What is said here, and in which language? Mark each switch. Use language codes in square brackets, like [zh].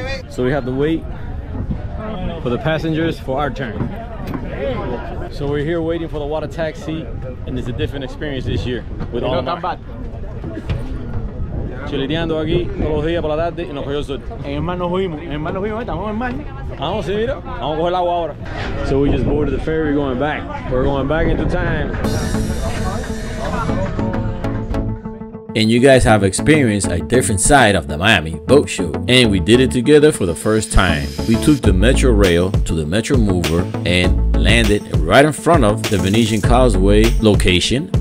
[en] So we have to wait for the passengers for our turn. So we're here waiting for the water taxi, and it's a different experience this year with you, Alamar. Not that bad. [es] Chileteando aquí todos los días por la tarde y nos cogió el sol. En el mar nos fuimos, estamos en el mar. Vamos, sí, mira, vamos a coger el agua ahora. [en] So we just boarded the ferry going back. We're going back into time. And you guys have experienced a different side of the Miami Boat Show. And we did it together for the first time. We took the Metro Rail to the Metro Mover and landed right in front of the Venetian Causeway location.